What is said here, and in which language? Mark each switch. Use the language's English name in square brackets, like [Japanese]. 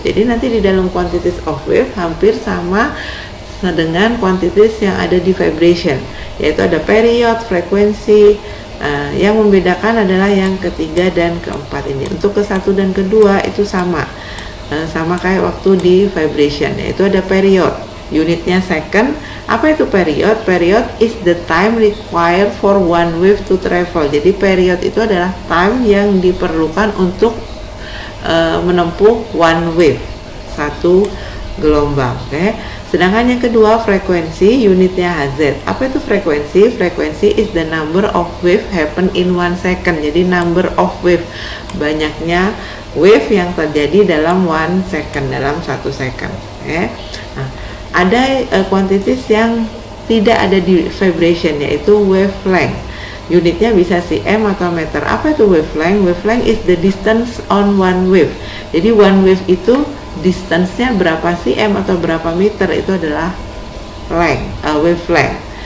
[Indonesian] Jadi nanti di dalam [English] quantities of wave [Indonesian] hampir sama dengan quantities yang ada di vibration, yaitu ada period, frekuensi. Yang membedakan adalah yang ketiga dan keempat ini. Untuk ke satu dan kedua itu sama, sama kayak waktu di vibration, yaitu ada period, unitnya second. Apa itu period? [English] Period is the time required for one wave to travel. [Indonesian] Jadi period itu adalah time yang diperlukan untuk menempuh [English] one wave, [Indonesian] satu gelombang. Okay. Sedangkan yang kedua, frekuensi, unitnya Hz. Apa itu frekuensi? [English] Frekuensi is the number of wave happen in one second. [Indonesian] Jadi [English] number of wave, [Indonesian] banyaknya wave yang terjadi dalam [English] one second, [Indonesian] dalam satu second. Okay. Nah, ada quantities yang tidak ada di vibration, yaitu wavelength. Unitnya bisa cm atau meter. Apa itu wavelength? [English] Wavelength is the distance on one wave. [Indonesian] Jadi [English] one wave [Indonesian] itu distance-nya berapa cm atau berapa meter, itu adalah length, wavelength.